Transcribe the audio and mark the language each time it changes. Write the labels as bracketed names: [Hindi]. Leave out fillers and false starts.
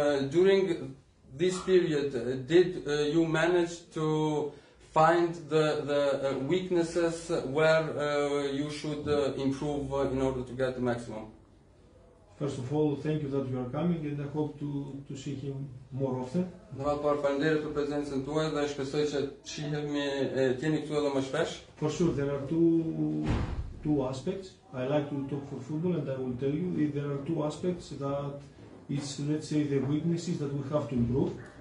[English] During this period, did you manage to find the weaknesses where you should improve in order to get the maximum? First of all, thank you that you are coming, and I hope to see him more often. [Albanian] Për falënderit për prezencën tuaj dhe shpresoj që shihemi tani këtu edhe më shpesh. [English] For sure, there are two aspects. I like to talk for football, and I will tell you if there are two aspects that. It's, let's say, the weaknesses that we have to improve.